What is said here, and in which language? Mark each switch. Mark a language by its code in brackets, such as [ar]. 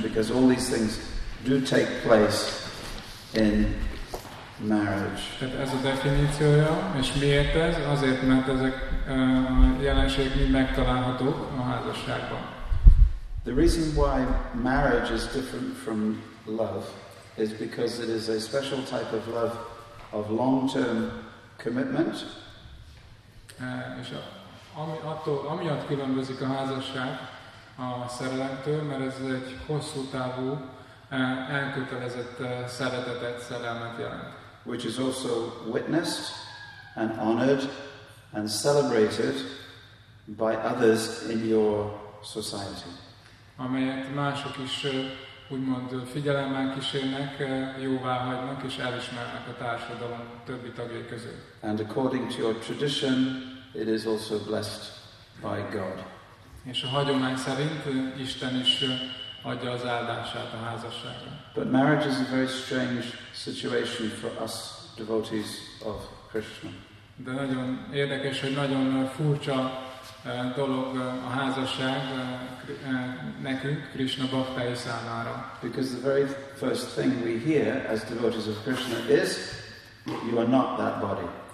[en] Because all these things do take place in marriage. [hu] Tehát ez a definíciója, és miért ez? Azért, mert ezek jelenségek mind megtalálhatók a házasságban. [en] The reason why marriage is different from love is because it is a special type of love of long-term commitment. [hu] És amiatt különbözik a házasság a szerelemtől, mert ez egy hosszú távú elkötelezett szeretetet, szerelmet jelent. [en] Which is also witnessed and honored and celebrated by others in your society. [hu] Amelyet mások is úgymond figyelemmel kísérnek, jóvá hagynak és elismernek a társadalom többi tagjai közül. [en] And according to your tradition, it is also blessed by God. [hu] És a hagyomány szerint Isten is adja az áldását a házasságra. [en] But marriage is a very strange situation for us devotees of Krishna. [hu] De nagyon érdekes, hogy nagyon furcsa dolog a házasság nekünk, Krishna bhaktai számára. [en] Because the very first thing we hear as devotees of Krishna is, you are not that body.